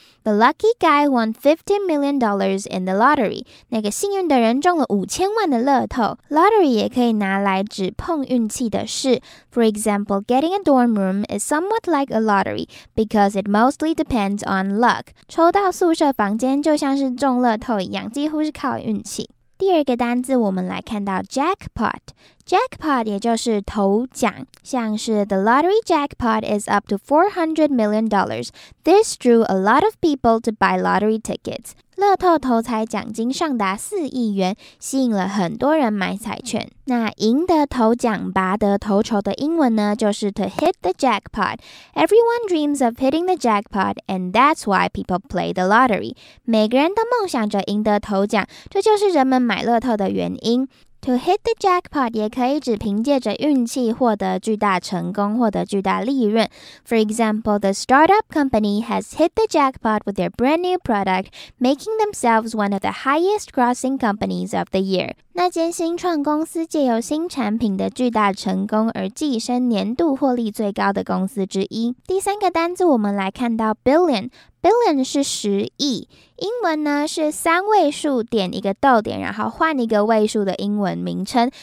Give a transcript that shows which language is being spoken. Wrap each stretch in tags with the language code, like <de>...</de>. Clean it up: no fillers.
<en>The lucky guy won $50 million in the lottery.</en> <zh>那个幸运的人中了5000万的乐透。</zh> <en>Lottery</en> <zh>也可以拿来指碰运气的事。</zh> <en>For example, getting a dorm room is somewhat like a lottery because it mostly depends on luck.</en> <zh>抽到宿舍房间就像是中乐透一样，几乎是靠运气。第二个单字我们来看到 jackpot。</zh> <en>Jackpot</en> <zh>也就是头奖，像是</zh> <en>The lottery jackpot is up to $400 million. This drew a lot of people to buy lottery tickets.</en> <zh>乐透头彩奖金上达4亿元，吸引了很多人买彩券。那赢得头奖、拔得头筹的英文呢，就是</zh> <en>to hit the jackpot. Everyone dreams of hitting the jackpot, and that's why people play the lottery.</en> <zh>每个人都梦想着赢得头奖，这就是人们买乐透的原因。</zh> <en>To hit the jackpot</en> <zh>也可以指凭借着运气获得巨大成功，获得巨大利润。</zh> <en>For example, the startup company has hit the jackpot with their brand new product, making themselves one of the highest grossing companies of the year.</en> <zh>那间新创公司借由新产品的巨大成功而跻身年度获利最高的公司之一。第三个单字我们来看到 billion。Billion 是十亿，英文呢是三位数点一个逗点，然后换一个位数的英文名称。</zh>